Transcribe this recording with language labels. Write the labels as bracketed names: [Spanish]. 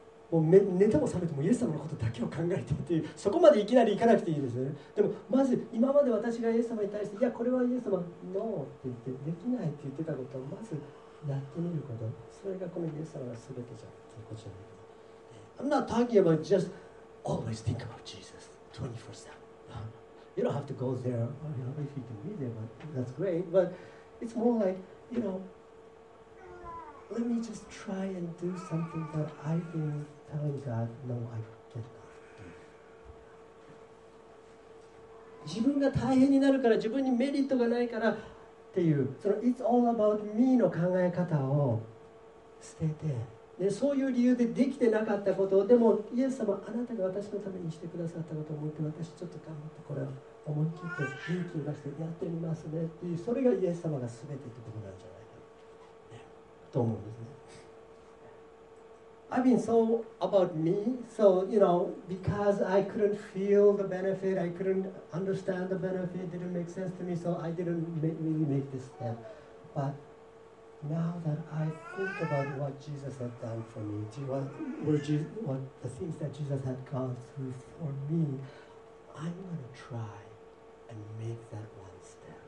[Japanese] もう寝ても覚めてもイエス様のことだけを考えてっていう、そこまでいきなり行かなくていいですね。でもまず今まで私がイエス様に対して、いやこれはイエス様ノーって言ってできないって言ってたことをまずやってみること、それがこのイエス様が全てじゃんっていうことじゃないです。 [English] I'm not talking about just always think about Jesus 24/7. You don't have to go there, you know, if you can be there, but that's great. But it's more like, you knowLet me just try and do something that I've been telling God, no, I can't do. [Japanese] 自分が大変になるから、自分にメリットがないからっていう、その [English] It's all about me [Japanese] の考え方を捨てて、でそういう理由でできてなかったことを、でもイエス様、あなたが私のためにしてくださったことを思って、私ちょっと頑張って、これを思い切って勇気を出してやってみますねっていう、それがイエス様が全てってことなんじゃないと思うんですね。 [English] I've been so about me, so you know, because I couldn't feel the benefit, I couldn't understand the benefit, it didn't make sense to me, so I didn't really make this step. But now that I think about what Jesus had done for me, what the things that Jesus had gone through for me, I'm gonna try and make that one step.